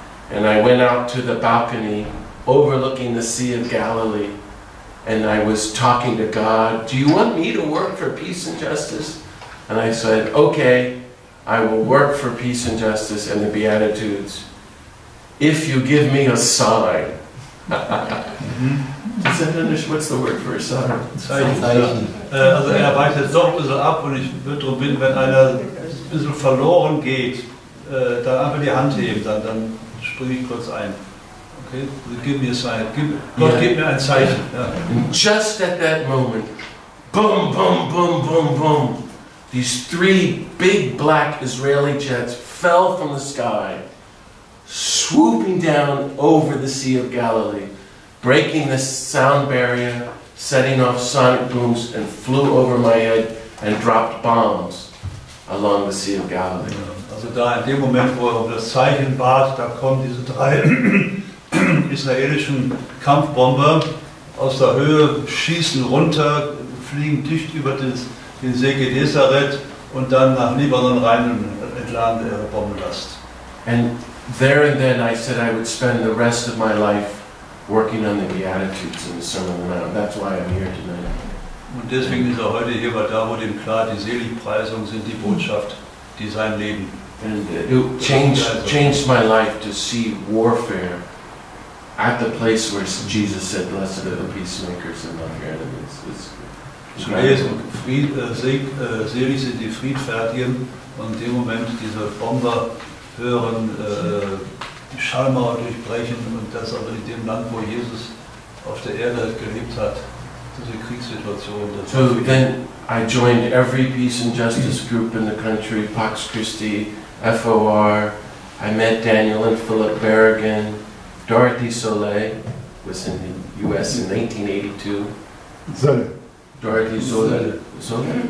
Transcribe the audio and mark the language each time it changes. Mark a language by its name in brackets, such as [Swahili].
[English] And I went out to the balcony overlooking the Sea of Galilee, and I was talking to God, do you want me to work for peace and justice? And I said, okay, I will work for peace and justice and the Beatitudes, if you give me a sign. Does that understand? What's the word for a sign? [German] Zeichen. Also er weitet doch ein bisschen ab, und ich würde darum bitten, wenn einer ein bisschen verloren geht, dann einfach die Hand heben, dann springe ich kurz ein. [English] Okay? So give me a sign. [German] Gott, gib mir ein Zeichen. [English] Yeah. Just at that moment, boom, boom, boom, boom, boom, these three big black Israeli jets fell from the sky, swooping down over the Sea of Galilee, breaking the sound barrier, setting off sonic booms, and flew over my head and dropped bombs along the Sea of Galilee. [German] Also da in dem Moment, wo er um das Zeichen bat, da kommen diese drei israelischen Kampfbomber aus der Höhe, schießen runter, fliegen dicht über den See Genezareth und dann nach Libanon rein und entladen ihre Bombenlast. [English] And there and then I said I would spend the rest of my life working on the Beatitudes in the Sermon on the Mount. That's why I'm here tonight. [German] Und deswegen ist er heute hier, weil da wurde ihm klar, die Seligpreisungen sind die Botschaft, die sein Leben. [English] And it changed my life to see warfare at the place where Jesus said, blessed are the peacemakers and not your enemies. [German] Zu lesen, selig sind die Friedfertigen und in dem Moment diese Bomber hören, die Schallmauer durchbrechen und das aber in dem Land, wo Jesus auf der Erde gelebt hat. Diese Kriegssituation. [English] So then I joined every peace and justice group in the country, Pax Christi, FOR, I met Daniel and Philip Berrigan, Dorothy Soleil was in the U.S. in 1982.